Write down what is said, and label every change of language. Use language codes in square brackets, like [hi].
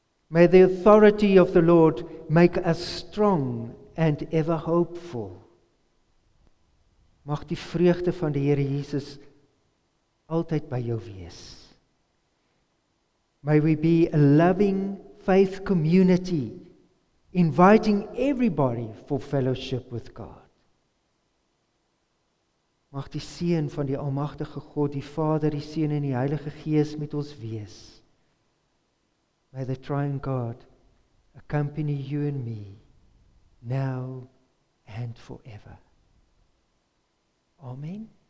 [en] May the authority of the Lord make us strong and ever hopeful. [af] Mag die vreugde van die Here Jesus altyd by jou wees. [en] May we be a loving faith community, inviting everybody for fellowship with God. [af] Mag die seën van die almagtige God, die Vader, die Seun en die Heilige Gees met ons wees. [en] May the triune God accompany you and me, now and forever. Amen.